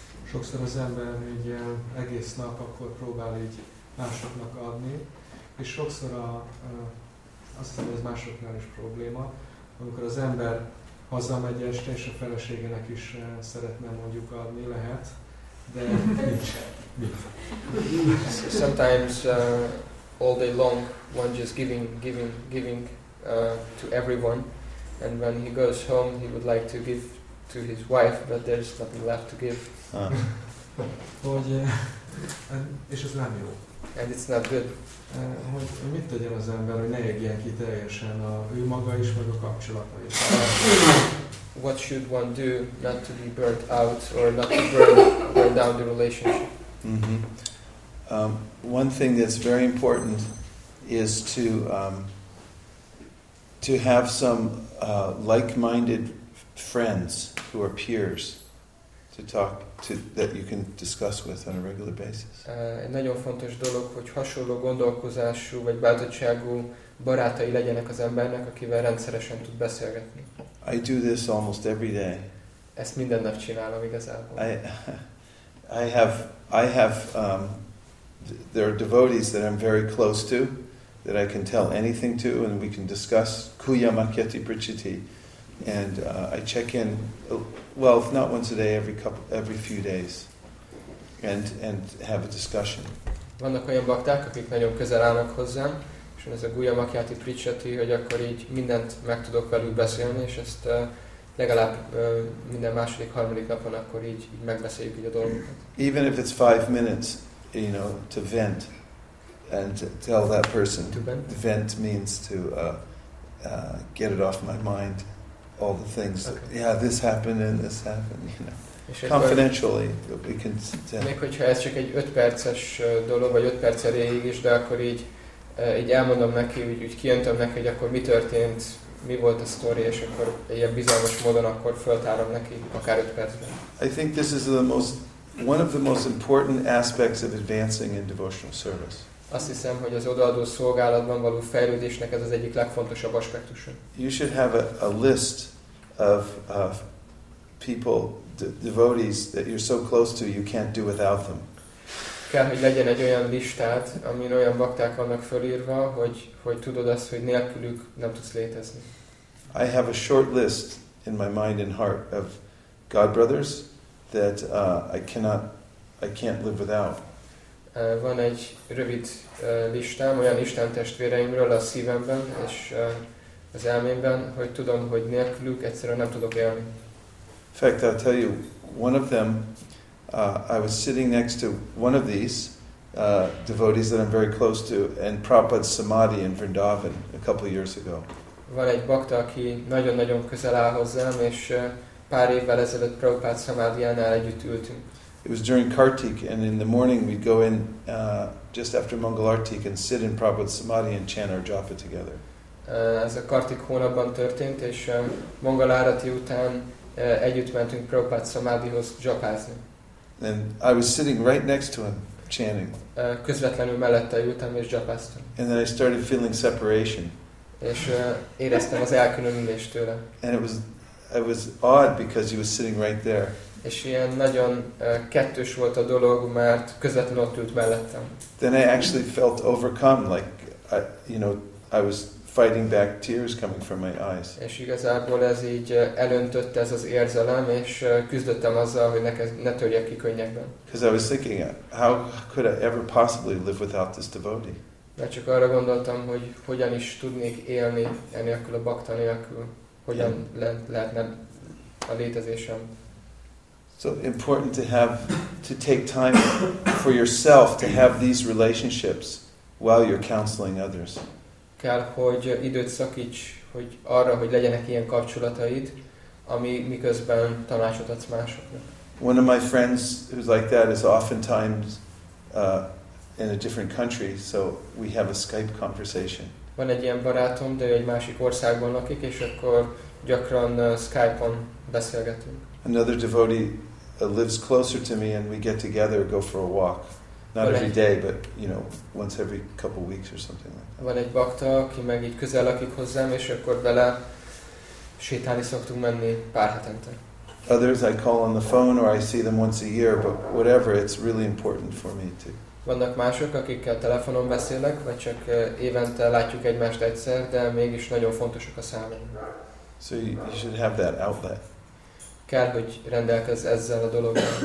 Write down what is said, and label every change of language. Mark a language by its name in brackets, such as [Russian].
[Hungarian] Sokszor az ember így egész nap akkor próbál így másoknak adni, és sokszor azt hiszem, ez másoknál is probléma, amikor az ember hazamegy este, és a feleségének is szeretne mondjuk adni, lehet, de nincs. [English] Sometimes all day long one just giving to everyone, and when he goes home he would like to give to his wife, but there's nothing left to give. [Hungarian] Hogy és ez nem jó. [English] And it's not good. [Hungarian] Hogy mit tegyen az ember, hogy ne égjen ki teljesen a ő maga is, meg a kapcsolata is. [English] What should one do not to be burnt out or not to burn down the relationship? One thing that's very important is to have some like-minded friends who are peers to talk to, that you can discuss with on a regular basis. [Hungarian] Egy nagyon fontos dolog, hogy hasonló gondolkozású vagy bátorságú barátai legyenek az embernek, akivel rendszeresen tud beszélgetni. [English] I do this almost every day. [Hungarian] Ezt minden nap csinálom igazából. [English] I have there are devotees that I'm very close to, that I can tell anything to, and we can discuss kuya makyati prichiti. And I check in, well, if not once a day, every few days, and have a discussion. [Hungarian] Vannak olyan bakták, akik nagyon közel állnak hozzám, és ez a kuya makyati prichiti, hogy akkor így mindent meg tudok velük beszélni, és ezt legalább minden második, harmadik napon akkor így megbeszéljük így a dolgokat. [English] Even if it's 5 minutes, you know, to vent and to tell that person. To vent? Vent means to get it off my mind, all the things. Okay. That, yeah, this happened and this happened, you know. Confidentially, we can tell. [Hungarian] Még hogyha ez csak egy 5 perces dolog, vagy 5 perc elég is, de akkor így elmondom neki, úgy kijöntöm neki, hogy akkor mi történt, mi volt a sztori, és akkor ilyen bizalmas módon akkor föltárom neki, akár 5 percben. [English] I think this is the most... One of the most important aspects of advancing in devotional service. [Hungarian] Azt hiszem, hogy az odaadó szolgálatban való fejlődésnek ez az egyik legfontosabb aspektusa. [English] You should have a list of people, devotees that you're so close to, you can't do without them. [Hungarian] Kell, hogy legyen egy olyan listát, amin olyan bakták vannak fölírva, hogy tudod azt, hogy nélkülük nem tudsz létezni. [English] I have a short list in my mind and heart of godbrothers that I can't live without. [Hungarian] Van egy rövid listám, olyan Isten testvéreimről a szívemben és az elmémben, hogy tudom, hogy nélkülük egyszerűen nem tudok élni. [English] In fact, I'll tell you, one of them, I was sitting next to one of these devotees that I'm very close to, and Prabhupada's Samadhi in Vrindavan a couple years ago. [Hungarian] Van egy bakta, aki nagyon-nagyon közel áll hozzám, és pár évvel ezelőtt Prabhupada Samadhiánál együtt ültünk. [English] It was during Kartik, and in the morning we'd go in just after Mangalartik and sit in Prabhupada Samadhi and chant our japa together. [Hungarian] Ez a Kartik hónapban történt, és Mangalárati után együtt mentünk Prabhupada Samadhihoz japázni. [English] And I was sitting right next to him, chanting. [Hungarian] Közvetlenül mellette ültem és japáztam. [English] And then I started feeling separation. [Hungarian] És éreztem az elkülönülést tőle. [English] And it was odd because he was sitting right there. [Hungarian] És ilyen nagyon kettős volt a dolog, mert közvetlenül ott ült mellettem. [English] Then I actually felt overcome, like I was fighting back tears coming from my eyes. [Hungarian] És igazából ez így elöntött ez az érzelem, és küzdöttem azzal, hogy ne törjek ki könnyekben. [English] Because I was thinking, how could I ever possibly live without this devotee? [Hungarian] Mert csak arra gondoltam, hogy hogyan is tudnék élni enélkül a bakta nélkül. Hogyan lehetne a létezésem. [English] So important to have to take time for yourself to have these relationships while you're counseling others. [Hungarian] Kell, hogy időt szakíts, hogy arra, hogy legyenek ilyen kapcsolataid, ami miközben tanácsot adsz másoknak. [English] One of my friends who's like that is oftentimes in a different country, so we have a Skype conversation. [Hungarian] Van egy ilyen barátom, de egy másik országban lakik, és akkor gyakran Skype-on beszélgetünk. [English] Another devotee lives closer to me, and we get together, go for a walk. not every day, but you know, once every couple weeks or something like that. [Hungarian] Van egy bakta, aki meg így közel lakik hozzám, és akkor vele sétálni szoktunk menni pár hetente. [English] Others I call on the phone or I see them once a year, but whatever, it's really important for me to. [Hungarian] Vannak mások, akikkel telefonon beszélek, vagy csak évente látjuk egymást egyszer, de mégis nagyon fontosak a számomra. [English] So you should have that outlet. [Hungarian] Kell, hogy rendelkezz ezzel a dologgal.